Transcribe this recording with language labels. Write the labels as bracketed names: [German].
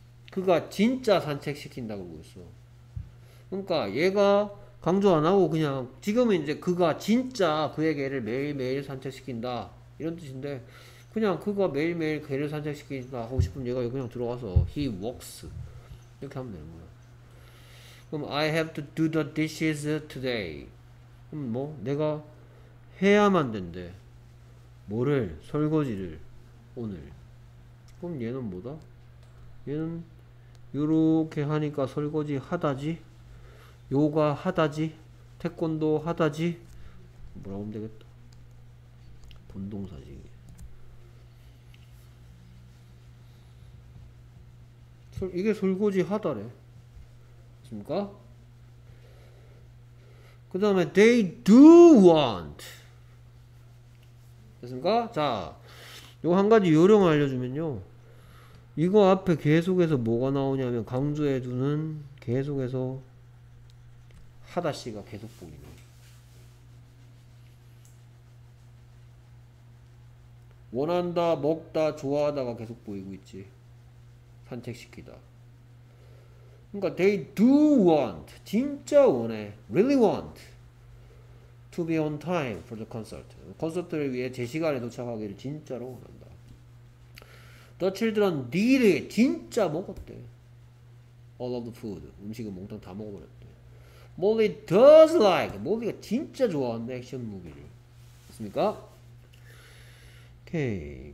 [Korean] 그가 진짜 산책시킨다고 그랬어. 그러니까 얘가 강조 안 하고 그냥 지금은 이제 그가 진짜 그에게 애를 매일매일 산책시킨다 이런 뜻인데 그냥 그가 매일매일 걔를 산책시키니까 하고 싶으면 얘가 그냥 들어가서 [English] He walks [Korean] 이렇게 하면 되는 거야. 그럼 [English] I have to do the dishes today. [Korean] 그럼 뭐 내가 해야만 된대. 뭐를? 설거지를 오늘. 그럼 얘는 뭐다? 얘는 요렇게 하니까 설거지 하다지? 요가 하다지? 태권도 하다지? 뭐라고 하면 되겠다. 본동사지. 이게 설거지 하다래. 맞습니까? 그 다음에 [English] they do want. [Korean] 됐습니까? 자, 요 한 가지 요령을 알려주면요. 이거 앞에 계속해서 뭐가 나오냐면 강조해두는 계속해서 하다씨가 계속 보이네. want한다, 먹다, 좋아하다가 계속 보이고 있지. 산책시키다. 그러니까 [English] they do want, [Korean] 진짜 원해, [English] really want to be on time for the concert. 콘서트를 위해 제 시간에 도착하기를 진짜로 원한다. The children did it. [Korean] 진짜 먹었대. [English] All of the food. [Korean] 음식은 몽땅 다 먹어버렸대. [English] Molly does like. [Korean] Molly가 진짜 좋아한대 액션 무비를. 됐습니까? 오케이.